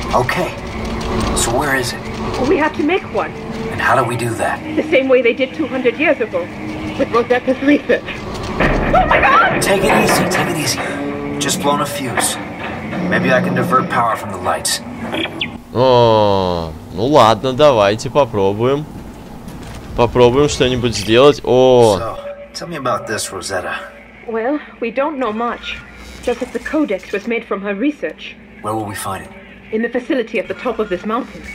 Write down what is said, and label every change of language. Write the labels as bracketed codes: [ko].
[en] Okay. So where is it? We have to make one. And how do we do that? The same way they did 200 years ago. With Rosetta's research. Oh my god! Take it easy. Just blown a fuse. Maybe I can divert power from the lights. [ru] Ну ладно, давайте попробуем. Попробуем что-нибудь сделать. О. [en] So, tell me about this, Rosetta. Well, we don't know much. Just that the codex was made from her research. Where will we find it? In the facility at the top of this mountain.